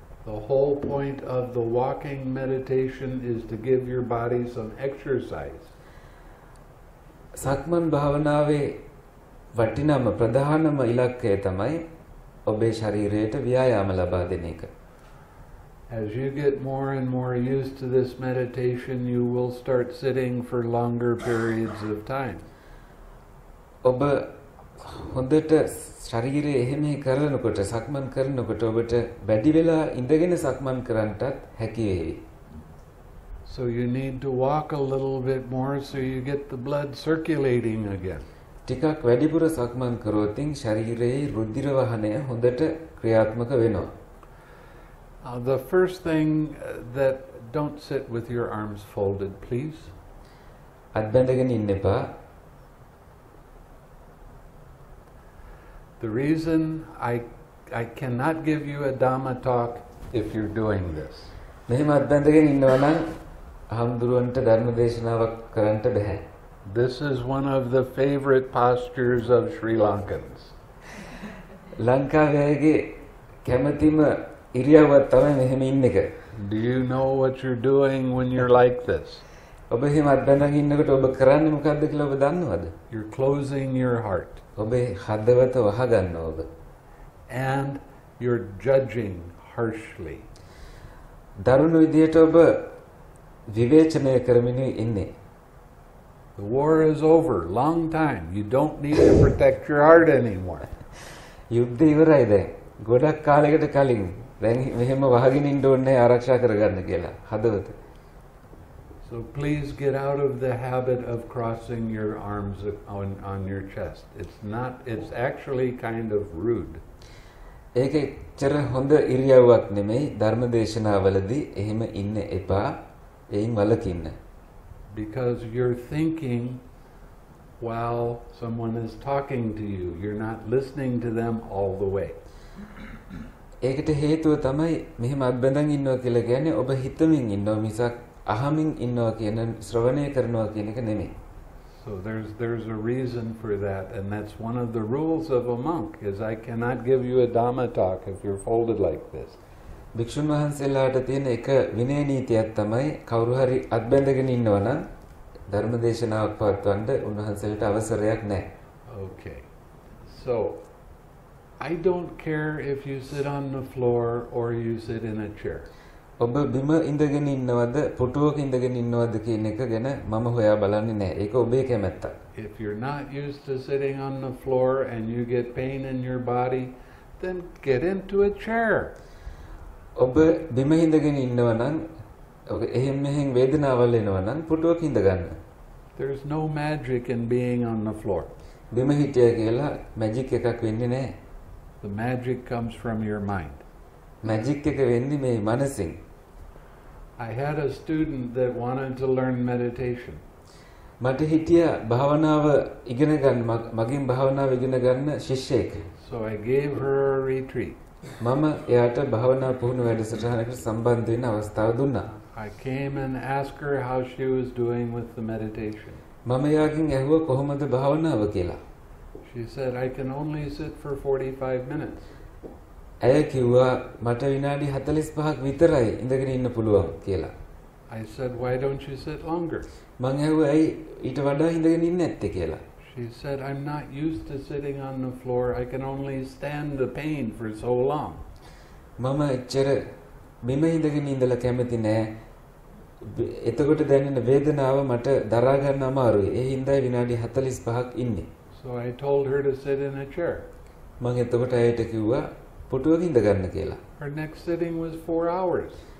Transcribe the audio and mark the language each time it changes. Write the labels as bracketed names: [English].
[English] The whole point of the walking meditation is to give your body some exercise. [Sinhala] සක්මන් භාවනාවේ වටිනම ප්‍රධානම ඉලක්කය තමයි ඔබේ ශරීරයට ව්‍යායාම ලබා දෙන එක. [English] As you get more and more used to this meditation, you will start sitting for longer periods of time. [Sinhala] ඔබ හොඳට ශරීරයේ එහෙම කරනකොට සක්මන් කරනකොට ඔබට වැඩි වෙලා ඉඳගෙන සක්මන් කරන්නටත් හැකි වෙයි. [English] So you need to walk a little bit more so you get the blood circulating again. [Sinhala] ටිකක් වැඩිපුර සක්මන් කරොත් ශරීරයේ රුධිර වහනය හොඳට ක්‍රියාත්මක වෙනවා. [English] The first thing that don't sit with your arms folded, please. [Sinhala] අත්බැඳගෙන ඉන්න එපා. [English] The reason I cannot give you a Dhamma talk if you're doing this. [Sinhala] මෙහෙම අත්බැඳගෙන ඉන්නවා නම් හඳුරුවන්ට ධර්ම දේශනාවක් කරන්න බෑ. [English] This is one of the favorite postures of Sri Lankans. [Sinhala] ලංකාවේ කැමැතිම ඉරියව්වක් තමයි මෙහෙම ඉන්න එක. [English] Do you know what you're doing when you're like this? [Sinhala] ඔබ එහෙම අත්බැඳගෙන ඉන්නකොට ඔබ කරන්නේ මොකද්ද කියලා ඔබ දන්නවද? [English] You're closing your heart. [Sinhala] ඔබේ හදවත වහගන්නවා ඔබ. [English] And you're judging harshly. [Sinhala] දරුණු විදියට ඔබ විවේචනය කරමින් ඉන්නේ. [English] The war is over, long time. You don't need to protect your heart anymore. [Sinhala] යුද්ධ ඉවරයි දැන්. ගොඩක් කාලයකට කලින් දැන් මෙහෙම වහගෙන ඉන්න ඕනේ ආරක්ෂා කරගන්න කියලා හදවත. [English] So please get out of the habit of crossing your arms on your chest. It's actually kind of rude. [Sinhala] ඒක ඇත්තට හොඳ ඉරියව්වක් නෙමෙයි ධර්මදේශනවලදී එහෙම ඉන්න එපා. එයින් වළකින්න. [English] Because you're thinking while someone is talking to you. You're not listening to them all the way. [Sinhala] ඒකට හේතුව තමයි මෙහෙම අත්බැඳන් ඉන්නවා කියලා කියන්නේ ඔබ හිතමින් ඉන්නවා මිසක් අහමින් ඉන්නවා කියන ශ්‍රවණය කරනවා කියන එක නෙමෙයි. [English] So there's a reason for that and that's one of the rules of a monk is I cannot give you a Dhamma talk if you're folded like this. [Sinhala] භික්ෂුන් වහන්සේලාට තියෙන එක විනය නීතියක් තමයි කවුරු හරි අත්බැඳගෙන ඉන්නවා නම් ධර්ම දේශනාවක් පවත්වන්න උන්වහන්සේලට අවසරයක් නැහැ. [English] Okay. So I don't care if you sit on the floor or you sit in a chair. [Sinhala] ඔබ බිම ඉඳගෙන ඉන්නවද පුටුවක ඉඳගෙන ඉන්නවද කියන එක ගැන මම හොයා බලන්නේ නැහැ. ඒක ඔබේ කැමැත්තක්. [English] If you're not used to sitting on the floor and you get pain in your body, then get into a chair. [Sinhala] ඔබ බිම ඉඳගෙන ඉන්නව නම් ඔක එහෙම මෙහෙම වේදනාවල් එනව නම් පුටුවක ඉඳගන්න. [English] There's no magic in being on the floor. [Sinhala] බිම හිටියා කියලා මැජික් එකක් වෙන්නේ නැහැ. [English] The magic comes from your mind. [Sinhala] Magic එක වෙන්නේ මේ මනසින්. [English] I had a student that wanted to learn meditation. [Sinhala] මට හිටියා භාවනාව ඉගෙන ගන්න මගින් භාවනාව ඉගෙන ගන්න ශිෂ්‍යෙක්. [English] So I gave her a retreat. [Sinhala] මම එයාට භාවනා පුහුණු වැඩසටහනකට සම්බන්ධ වෙන අවස්ථාව දුන්නා. [English] I came and asked her how she was doing with the meditation. [Sinhala] මම එයාගෙන් ඇහුවා කොහොමද භාවනාව කියලා. [English] She said I can only sit for 45 minutes. [Sinhala] ඇය කිව්වා මට විනාඩි 45ක් විතරයි ඉඳගෙන ඉන්න පුළුවන් කියලා. [English] I said why don't you sit longer? [Sinhala] මං ඇහුවා ඇයි ඊට වඩා ඉඳගෙන ඉන්නේ නැත්තේ කියලා. [English] She said I'm not used to sitting on the floor. I can only stand the pain for so long. [Sinhala] මම එච්චර බිම ඉඳගෙන ඉඳලා කැමති නෑ. එතකොට දැනෙන වේදනාව මට දරා ගන්න අමාරුයි. ඒ හින්දායි විනාඩි 45ක් ඉන්නේ. [English] So I told her to sit in a chair. [Sinhala] මම එතකොට ඇයට කිව්වා පුටුවක ඉඳගන්න කියලා. [English] Her next sitting was 4 hours.